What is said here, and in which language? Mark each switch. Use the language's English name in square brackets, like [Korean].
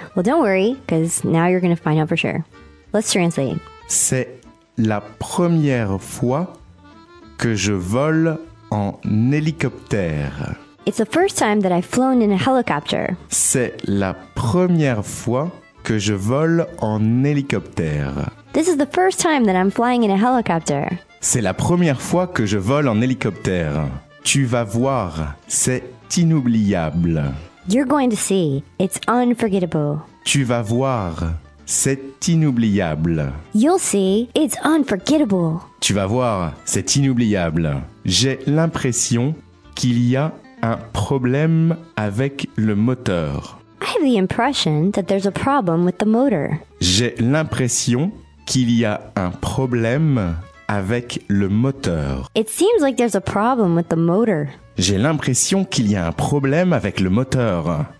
[English] Well, don't worry, because now you're going to find out for sure. Let's translate. [French] C'est la première fois que je vole en hélicoptère. [English] It's the first time that I've flown in a helicopter. [French] C'est la première fois que je vole en hélicoptère. [English] This is the first time that I'm flying in a helicopter. [French] C'est la première fois que je vole en hélicoptère. Tu vas voir, c'est inoubliable. [English] You're going to see, it's unforgettable. [French] Tu vas voir, c'est inoubliable. [English] You'll see, it's unforgettable. [French] Tu vas voir, c'est inoubliable. J'ai l'impression qu'il y a un problème avec le moteur. [English] I have the impression that there's a problem with the motor. [French] J'ai l'impression qu'il y a un problème avec le moteur. [English] It seems like there's a problem with the motor. [French] J'ai l'impression qu'il y a un problème avec le moteur.